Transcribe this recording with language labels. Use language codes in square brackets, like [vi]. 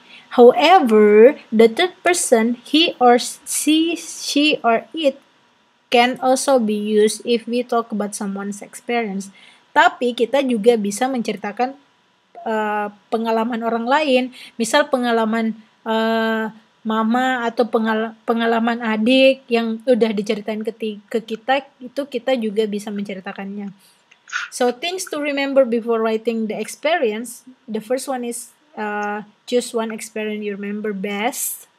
[en] However, the third person, she or it, can also be used if we talk about someone's experience. [id] Tapi kita juga bisa menceritakan pengalaman orang lain. Misal pengalaman mama atau pengalaman adik yang udah diceritain ke kita, itu kita juga bisa menceritakannya. [en] So, things to remember before writing the experience. The first one is choose one experience you remember best.